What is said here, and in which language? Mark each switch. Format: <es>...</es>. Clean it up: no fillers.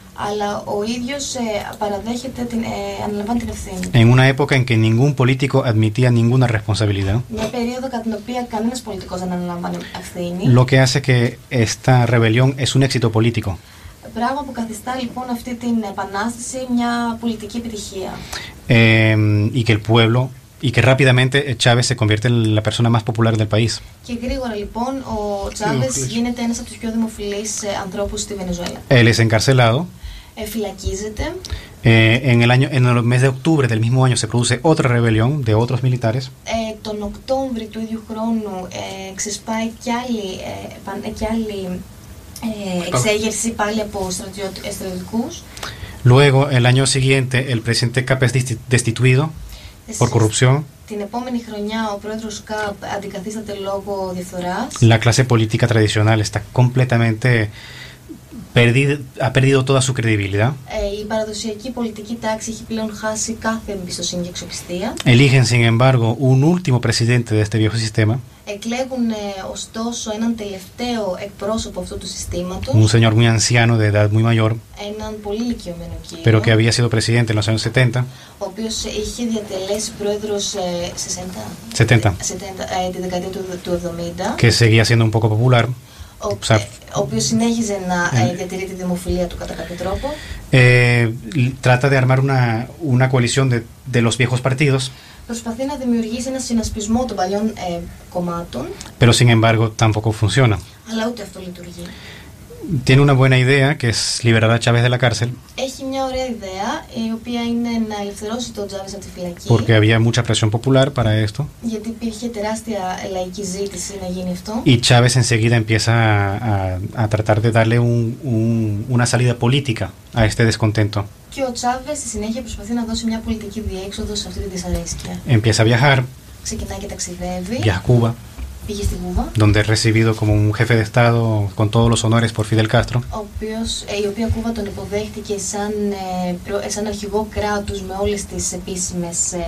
<el>Αλλά ο ίδιος παραδέχεται αναλαμβάνει την ευθύνη.</el> <es>En una época en que ningún político admitía ninguna responsabilidad.</es> <el>Μια περίοδο κατά την οποία κανένας πολιτικός δεν αναλαμβάνει ευθύνη.</el> <es>Lo que hace que esta rebelión es un éxito político.</es> <el>Πράγμα που καθιστά λοιπόν αυτή την επανάσταση μια πολιτική επιτυχία.</el> <es>Y que el pueblo y que rápidamente Chávez se convierte en la persona más popular del país.</es> <el>Και γρήγορα λοιπόν ο Chávez γίνεται ένας από τους πιο δημοφιλείς ανθρώπους στη Βενεζουέλα.</el> <es>Él es encarcelado.</es> <el>Φυλακίζεται.</el> <es>En el mes de octubre del mismo año se produce otra rebelión de otros militares.</es> <el>Τον Οκτώβριο του ίδιου χρόνου ξεσπάει κι άλλη εξέγερση πάλι από στρατιωτικούς.</el> <es>Luego el año siguiente el presidente CAP es destituido. Por corrupción.</es> <el>Την επόμενη χρονιά ο πρόεδρος ΚΑΠ αντικαθίσταται λόγω διαφθοράς.</el> <es>La clase política tradicional está completamente ha perdido toda su credibilidad.</es> <el>Η παραδοσιακή πολιτική τάξη έχει πλέον χάσει κάθε εμπιστοσύνη και αξιοπιστία.</el> <es>Eligen, sin embargo, un último presidente de este viejo sistema.</es> <el>Εκλέγουν ωστόσο έναν τελευταίο εκπρόσωπο αυτού του συστήματος.</el> <es>Un señor muy anciano, de edad muy mayor.</es> <el>Έναν πολύ ηλικιωμένο κύριο.</el> <es>Pero que había sido presidente en los años 70.</es> <el>Ο οποίος είχε διατελέσει πρόεδρος 60. 70. 70, τη δεκαετία του 70.</el> <es>Que seguía siendo un poco popular.</es> <el>Ο οποίος συνέχιζε να διατηρεί τη δημοφιλία του κατά κάποιο τρόπο.</el> <es>Trata de armar una coalición de los viejos partidos.</es> <el>Προσπαθεί να δημιουργήσει ένα συνασπισμό των παλιών κομμάτων.</el> <es>Pero sin embargo tampoco funciona.</es> <el>Αλλά ούτε αυτό λειτουργεί.</el> <es>Tiene una buena idea, que es liberar a Chávez de la cárcel.</es> <el>Έχει μια ωραία ιδέα, η οποία είναι να ελευθερώσει τον Chávez από τη φυλακή.</el> <es>Porque había mucha presión popular para esto.</es> <el>Γιατί υπήρχε τεράστια λαϊκή ζήτηση να γίνει αυτό.</el> <es>Y Chávez enseguida empieza a tratar de darle una salida política a este descontento.</es> <el>Και ο Chávez στη συνέχεια προσπαθεί να δώσει μια πολιτική διέξοδο σε αυτή τη δυσαρέσκεια.</el> <es>Empieza a viajar.</es> <el>Ξεκινάει και ταξιδεύει.</el> <es>Via Cuba.</es> <el>Πήγε στην Κούβα.</el> <es>Donde es recibido como un jefe de Estado con todos los honores por Fidel Castro.</es> <el>Η οποία Κούβα τον υποδέχτηκε σαν αρχηγό κράτους με όλες τις επίσημες</el>